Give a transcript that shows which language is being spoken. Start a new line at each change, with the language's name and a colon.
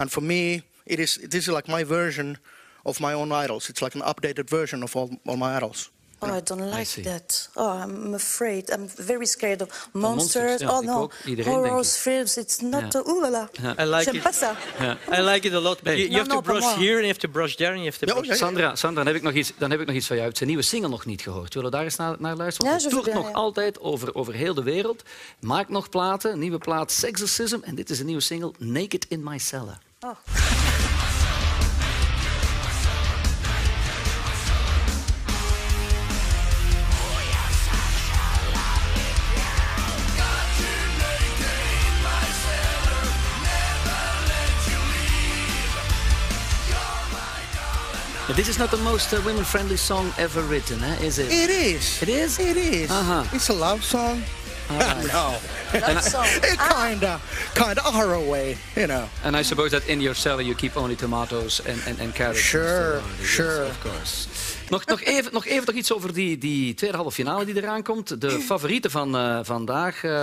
English: and for me, this is like my version of my own idols. It's like an updated version of all my idols. Oh, I don't like that. Oh, I'm afraid. I'm very scared of monsters. Yeah, oh no, horror films. It's not yeah. Ooh la la. I like it. Yeah. I like it a lot. But you have to brush here and you have to brush there and you have to brush. Okay.
Dutch: Sandra, dan heb ik nog iets van jou. Zijn nieuwe single nog niet gehoord. Zullen we daar eens naar luisteren? Want ja, het toert nog altijd over heel de wereld. Maak nog platen. Nieuwe plaat Sexorcism. En dit is een nieuwe single Naked in My Cellar. Oh.
English: This is not the most women-friendly song ever written, eh? Is it? It is. It is? It is. Uh-huh. It's a love song. Right. No. Love song. Kind of our way, you know. And I suppose that in your cellar you keep only tomatoes and carrots. Sure, sure. Yes, of course.
Dutch: Nog even iets over die tweede halve finale die eraan komt. De favorieten van vandaag.